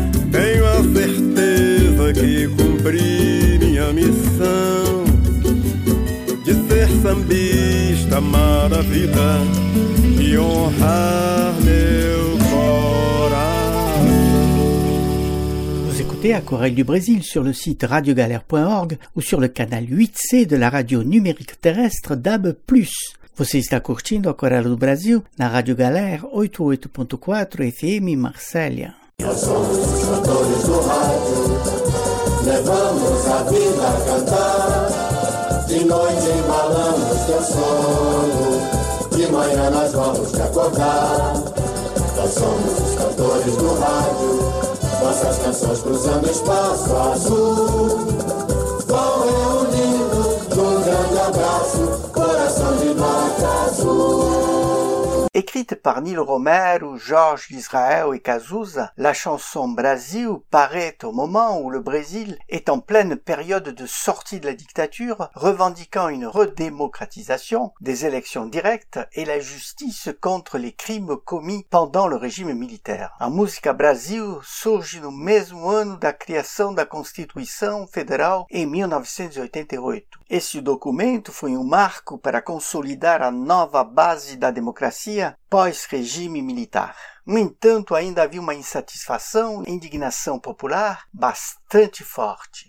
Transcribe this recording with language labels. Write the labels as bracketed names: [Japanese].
[Portuguese] Tenho a certeza que cumpri minha missão de ser sambista maravilha e honrar meu coração. [French] Vous écoutez à Corée du Brésil sur le site radiogalère.org ou sur le canal 8C de la radio numérique terrestre DAB+. [Portuguese] Você está curtindo a Corella do Brasil na Rádio Galera 88.4 FM Marcélia. Nós somos os cantores do rádio, levamos a vida a cantar. De noite embalamos teu sono, de manhã nós vamos te acordar. Nós somos os cantores do rádio, nossas canções cruzando o espaço azul. Vão reunindo um grande abraço. [French] Écrite par Nil Romero, Jorge Israel et Cazuza, la chanson Brasil paraît au moment où le Brésil est en pleine période de sortie de la dictature, revendiquant une redémocratisation, des élections directes et la justice contre les crimes commis pendant le régime militaire. [Portuguese] A música Brasil surge no mesmo ano da criação da Constituição Federal em 1988. Esse documento foi um marco para consolidar a nova base da democracia pós-regime militar. No entanto, ainda havia uma insatisfação e indignação popular bastante forte.